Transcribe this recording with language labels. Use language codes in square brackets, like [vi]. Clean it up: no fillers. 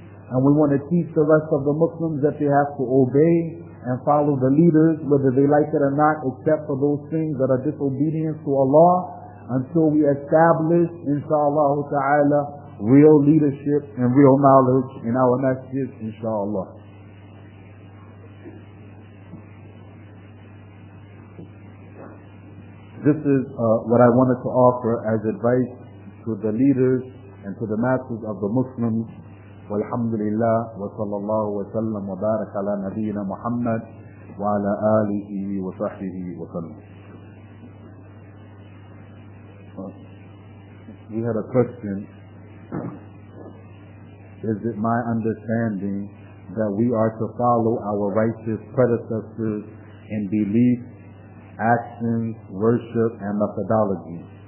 [en] And we want to teach the rest of the Muslims that they have to obey and follow the leaders, whether they like it or not, except for those things that are disobedience to Allah, until we establish, inshallah ta'ala, real leadership and real knowledge in our masjids, inshallah. This is what I wanted to offer as advice to the leaders and to the masses of the Muslims. [ar] والحمد لله وصلى الله وسلم وبارك على نبينا محمد وعلى آله وصحبه وسلم. [en] We had a question. Is it my understanding that we are to follow our righteous predecessors in belief, actions, worship, and methodology.